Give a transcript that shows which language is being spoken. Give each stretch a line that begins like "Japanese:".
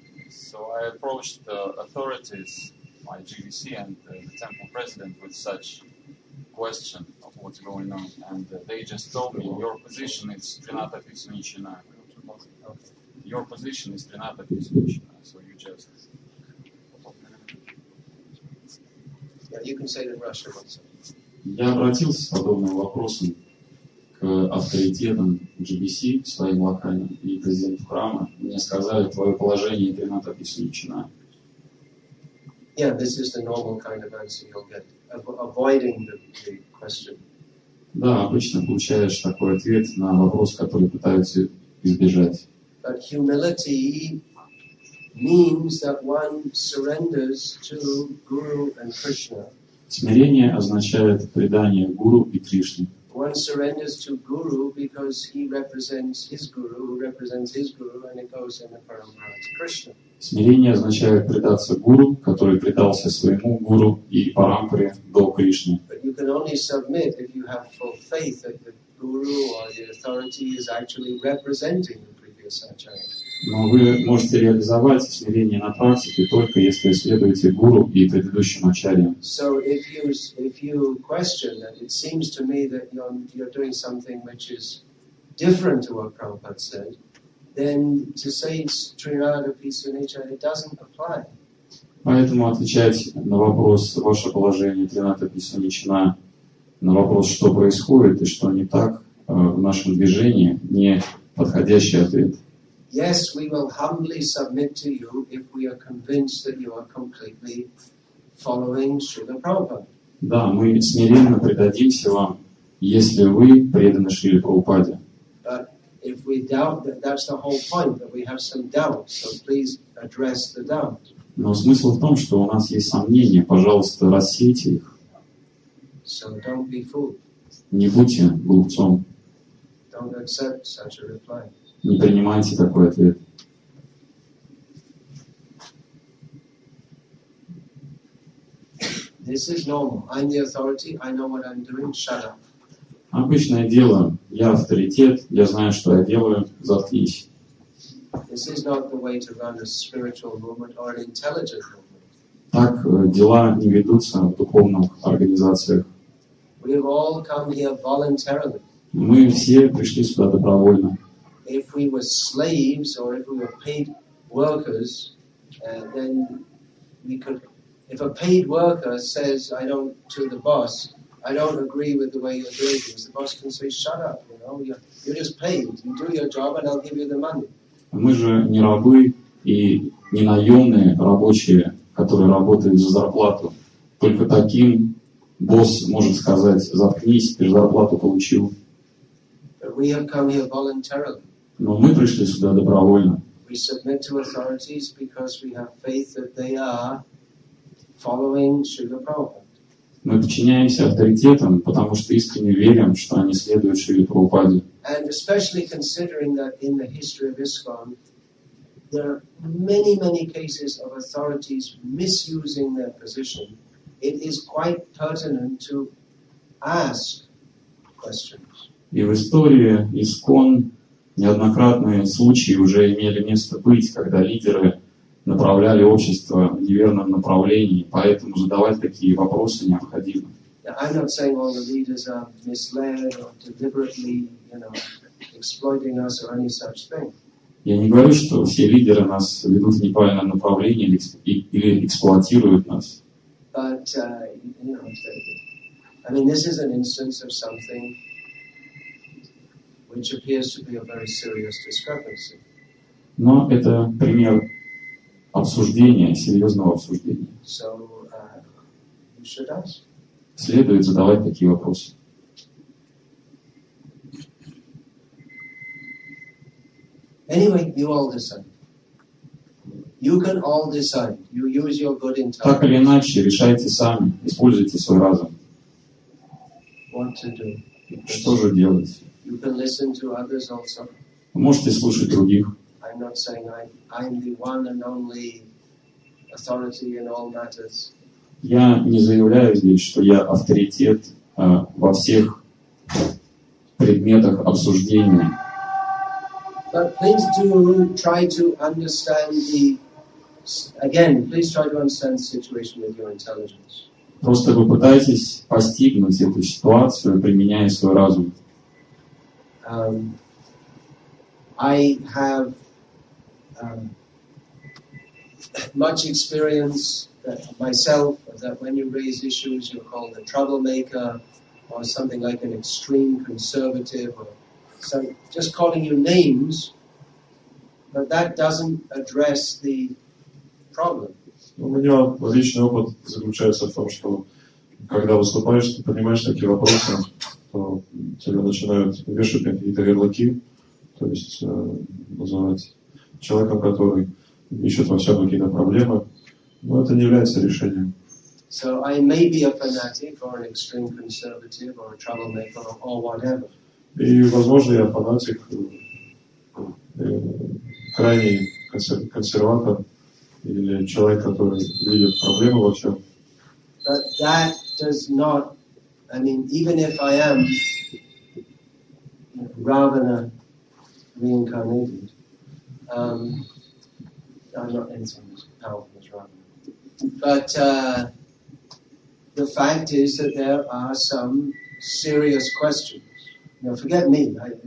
English: So I approached the authorities, my GVC and the temple president, with such question of what's going on, and they just told me, your position is Trinata Pismichina. Your position is Trinata Pismichina. So you just... Yeah, you can say it in Russian also.
Russian: Я обратился с подобным вопросом к авторитетам GBC, своим локальным, и президенту храма. Мне сказали, твое положение Трината Писмичина.
English: Yeah, this is the normal kind of answer you'll get, avoiding the question.
Russian: Да, обычно получаешь такой ответ на вопрос, который пытаются избежать.
English: But humility means that one surrenders to Guru and Krishna.
Russian: Смирение означает предание Гуру и Кришне.
English: One surrenders to Guru because he represents his Guru, who represents his Guru, and it goes in the parampara to Krishna.
Russian: Смирение означает предаться Гуру, который предался своему Гуру и парампаре до Кришны.
English: But you can only submit if you have full faith that the Guru or the authority is actually representing the previous acharya.
Russian: Но вы можете реализовать смирение на практике только если следуете гуру и предыдущим ачарьям.
English: So if you question that, it seems to me that you're doing something which is different to what Prabhupada said, then to say Trinada Pisa Nichaya, it doesn't apply.
Russian: Поэтому отвечать на вопрос ваше положение Трината Писа Ничина, на вопрос, что происходит и что не так в нашем движении, не подходящий ответ.
English: Yes, we will humbly submit to you if we are convinced that you are completely following Srila Prabhupada.
Russian: Да, мы смиренно предадимся вам, если вы преданы Шриле Прабхупаде.
English: But if we doubt, that's the whole point, that we have some doubts, so please address the doubt.
Russian: Но смысл в том, что у нас есть сомнения. Пожалуйста, рассейте их.
English: So don't be fooled.
Russian: Не будьте глупцом.
English: Don't accept such a reply.
Russian: Не принимайте такой ответ.
English: This is normal. I'm the authority. I know what I'm doing. Shut up.
Russian: Обычное дело. Я авторитет. Я знаю, что я делаю. Заткнись.
English: This is not the way to run a spiritual movement or an intelligent movement.
Russian: Так дела не ведутся в духовных организациях.
English: We have all come here voluntarily.
Russian: Мы все пришли сюда добровольно.
English: If we were slaves or if we were paid workers, then we could. If a paid worker says, "I don't," to the boss, "I don't agree with the way you're doing things," the boss can say, "Shut up! You know, you're just paid. You do your job, and I'll give you the money."
Russian: Мы же не рабы и не наемные рабочие, которые работают за зарплату. Только таким босс может сказать, заткнись, ты же зарплату получил.
English: But we have come here voluntarily.
Russian: Но мы пришли сюда добровольно.
English: We submit to authorities because we have faith that they are following Srila Prabhupada.
Russian: Мы подчиняемся авторитетам, потому что искренне верим, что они следуют Шриле Прабхупаде.
English: And especially considering that in the history of ISKCON, there are many, many cases of authorities misusing their position, it is quite pertinent to ask questions.
Russian: И в истории ISKCON неоднократные случаи уже имели место быть, когда лидеры направляли общество в неверном направлении, поэтому задавать такие вопросы необходимо.
English: I'm not saying all the leaders are misled or deliberately, you know, exploiting us or any such thing.
Russian: Я не говорю, что все лидеры нас ведут в неправильном направлении или эксплуатируют нас.
English: But, you know, I mean, this is an instance of something which appears to be a very serious discrepancy.
Russian: Но это пример обсуждения, серьезного обсуждения.
English: So, you should ask.
Russian: Следует задавать такие вопросы.
English: Anyway, you all decide. You can all decide. You use your good intelligence.
Russian: Так или иначе, решайте сами. Используйте свой разум.
English: What to do?
Russian: Что же делать?
English: You can listen to others also.
Russian: Вы можете слушать других.
English: I'm not saying I'm the one and only authority in all matters.
Russian: Я не заявляю здесь, что я авторитет во всех предметах обсуждения.
English: But please do try to understand the... Again, please try to understand the situation with your intelligence.
Russian: Просто вы пытаетесь постигнуть эту ситуацию, применяя свой разум.
English: I have much experience myself, that when you raise issues, you're called a troublemaker, or something like an extreme conservative, or some, just calling you names, but that doesn't address the problem.
Russian: У меня личный опыт заключается в том, что когда выступаешь, ты понимаешь такие вопросы, то тебя начинают вешать какие-то ярлыки, то есть называть человеком, который ищет во всем какие-то проблемы. Но это не является решением.
English: So I may be a fanatic or an extreme conservative or a troublemaker or whatever.
Russian: И возможно я фанатик, крайний консерватор или человек, который видит проблемы во всем.
English: But that does not, I mean, even if I am Ravana reincarnated. I'm not entering this powerful as Ravana. But the fact is that there are some serious questions. Now, forget me.